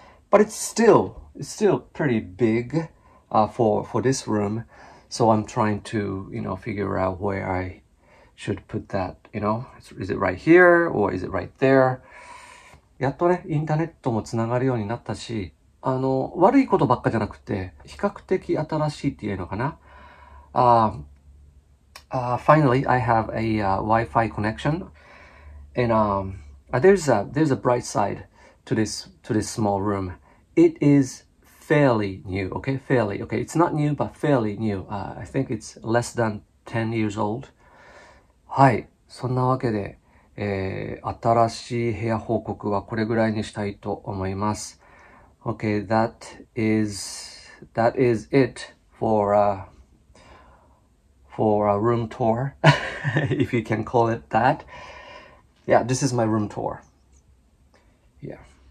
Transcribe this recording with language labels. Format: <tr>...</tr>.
<en>But it's still pretty big, for this room. So I'm trying to, figure out where I should put that. Is it right here or is it right there?</en> <ja>やっとね、インターネットもつながるようになったし、悪いことばっかじゃなくて、比較的新しいって言えるのかな。</ja> <en>Finally, I have a Wi-Fi connection. And there's a bright side to this small room. It is fairly new, okay? Fairly, okay. It's not new, but fairly new. I think it's less than 10 years old.</en> <ja>はい。そんなわけで、新しい部屋報告はこれぐらいにしたいと思います。</ja> <en>Okay, that is it for a room tour, if you can call it that. Yeah, this is my room tour. Yeah.</en>